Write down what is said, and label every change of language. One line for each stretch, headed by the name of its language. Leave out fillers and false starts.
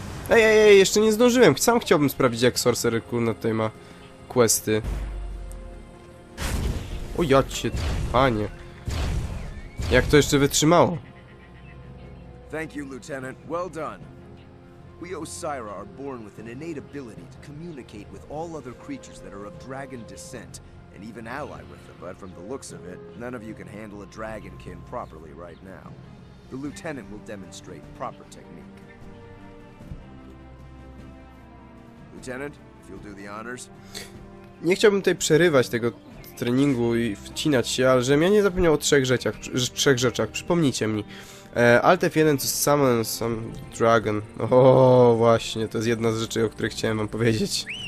Polish: Ej, jeszcze nie zdążyłem. Sam chciałbym sprawdzić, jak Sorcerer Kurna tutaj ma questy. O, ja cię, panie. Jak to jeszcze wytrzymało?
English: Thank you, Lieutenant. Well done. We Osyra are born with an innate ability to communicate with all other creatures that are of dragon descent, and even ally with them, but from the looks of it, none of you can handle a dragonkin properly right now. The Lieutenant will demonstrate proper technique. Lieutenant, if you'll do the honors.
Polish: Nie chciałbym tutaj przerywać tego treningu i wcinać się, ale żebym ja nie zapomniał o trzech rzeczach. Przypomnijcie mi.
English: Alt F1 to summon some dragon.
Polish: O, właśnie, to jest jedna z rzeczy, o której chciałem wam powiedzieć.